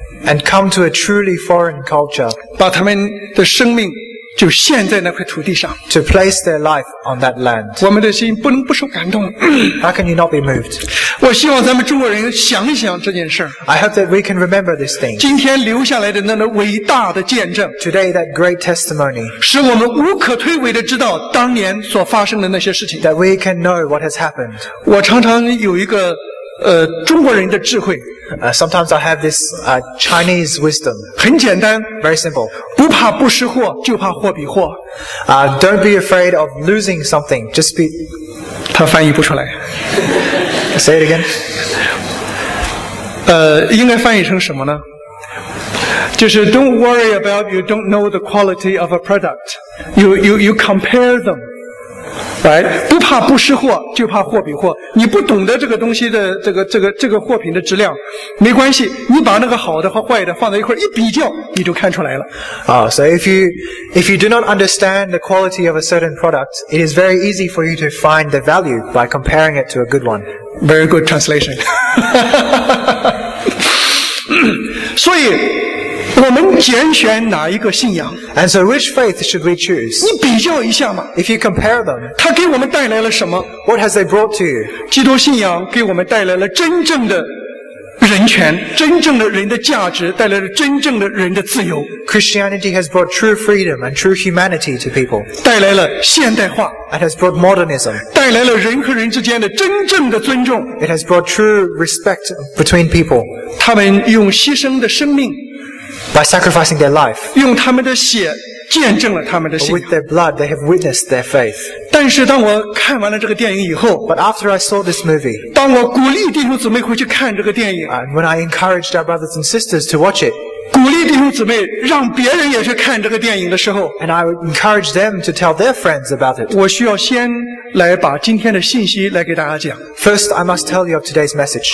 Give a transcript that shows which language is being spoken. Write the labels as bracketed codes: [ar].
[en] and come to a truly foreign culture, [zh] 把他们的生命就陷在那块土地上, [en] to place their life on that land. [zh] 我们的心不能不受感动, [en] How can you not be moved? [zh] 我希望咱们中国人想一想这件事, [en] I hope that we can remember this thing. [zh] 今天留下来的那个伟大的见证, [en] Today that great testimony. [zh] 使我们无可推诿地知道当年所发生的那些事情, [en] That we can know what has happened. [zh] 我常常有一个中国人的智慧。 [en] Sometimes I have this Chinese wisdom. [zh] 很简单。 [en] Very simple. [zh] 不怕不识货，就怕货比货。 [en] Don't be afraid of losing something. Just be. [zh] 他翻译不出来。 [en] Say it again. [zh] 应该翻译成什么呢？就是 [en] Don't worry about you don't know the quality of a product. You compare them. Right? [zh] 不怕不识货，就怕货比货。你不懂得这个东西的这个货品的质量，没关系。你把那个好的和坏的放在一块一比较，你就看出来了。 [en] So if you do not understand the quality of a certain product, it is very easy for you to find the value by comparing it to a good one. Very good translation. [zh] 所以。我们拣选哪一个信仰 [en] ？And so, which faith should we choose? [zh] 你比较一下嘛。 [en] If you compare them, [zh] 它给我们带来了什么 [en] ？What has they brought to you? [zh] 基督信仰给我们带来了真正的人权，真正的人的价值，带来了真正的人的自由。 [en] Christianity has brought true freedom and true humanity to people. [zh] 带来了现代化。 [en] It has brought modernism. [zh] 带来了人和人之间的真正的尊重。 [en] It has brought true respect between people. [zh] 他们用牺牲的生命。 [en] By sacrificing their life, [zh] 用他们的血见证了他们的信仰。 [en] With their blood, they have witnessed their faith. [zh] 但是当我看完了这个电影以后 [en] ，But after I saw this movie, [zh] 当我鼓励弟兄姊妹回去看这个电影 [en] ，And when I encouraged our brothers and sisters to watch it, [zh] 鼓励弟兄姊妹让别人也去看这个电影的时候 [en] ，And I encouraged them to tell their friends about it. [zh] 我需要先来把今天的信息来给大家讲。 [en] First, I must tell you of today's message.